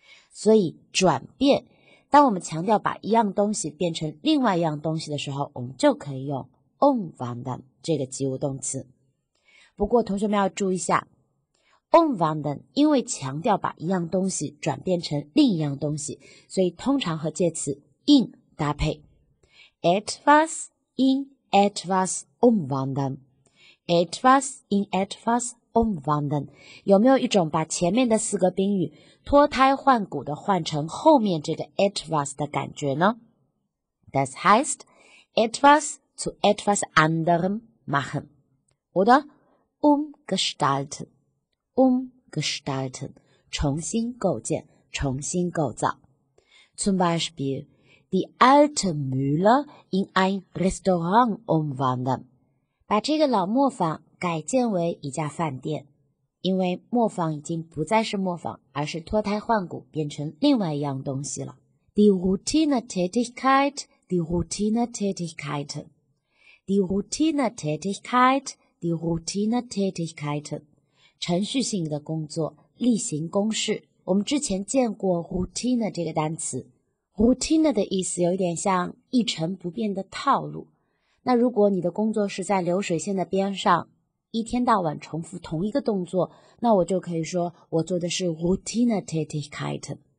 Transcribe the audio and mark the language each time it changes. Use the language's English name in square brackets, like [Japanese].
[Chinese] 所以转变，当我们强调把一样东西变成另外一样东西的时候，我们就可以用 umwandeln 这个及物动词。不过同学们要注意一下， umwandeln 因为强调把一样东西转变成另一样东西，所以通常和介词 in 搭配。 [German] etwas in etwas umwandeln， etwas in etwas umwandeln。 [Chinese] 有没有一种把前面的四个宾语脱胎换骨的换成后面这个 etwas 的感觉呢？ [German] Das heißt etwas zu etwas anderem machen oder umgestalten， umgestalten [Chinese] 重新构建，重新构造。 [German] Zum Beispiel die alte Mühle in ein Restaurant umwandeln， [Chinese] 把这个老磨坊改建为一家饭店。因为磨坊已经不再是磨坊，而是脱胎换骨变成另外一样东西了。 [German] Die Routine Tätigkeit, die Routine Tätigkeit, die Routine Tätigkeit, die Routine Tätigkeit, [Chinese] 程序性的工作，例行公事。我们之前见过 routine 这个单词， routine 的意思有点像一成不变的套路。那如果你的工作是在流水线的边上，一天到晚重复同一个动作，那我就可以说我做的是 Routine Tätigkeit.